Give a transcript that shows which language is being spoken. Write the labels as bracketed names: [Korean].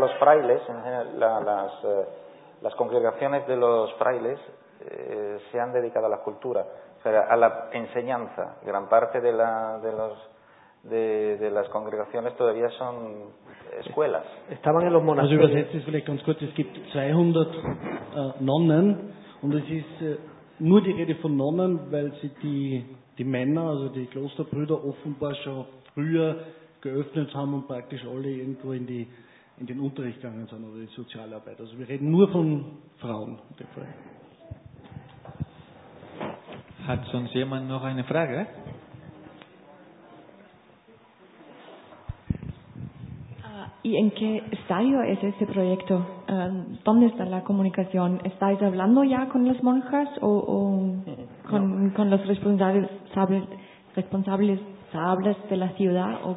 [Spanish] Los frailes, en general, las congregaciones de los frailes se han dedicado a la cultura, o sea, a la enseñanza. Gran parte de las congregaciones todavía son escuelas. Estaban en los monasterios. Es que hay 200 nonnen. [German] Und es ist nur die Rede von Nonnen, weil sie die Männer, also die Klosterbrüder, offenbar schon früher geöffnet haben und praktisch alle irgendwo in den Unterricht gegangen sind oder die Sozialarbeit. Also wir reden nur von Frauen in dem Fall. Hat sonst jemand noch eine Frage? [Spanish] ¿Y en qué estadio es este proyecto? ¿Dónde está la comunicación? ¿Estáis hablando ya con las monjas o con los responsables de la ciudad?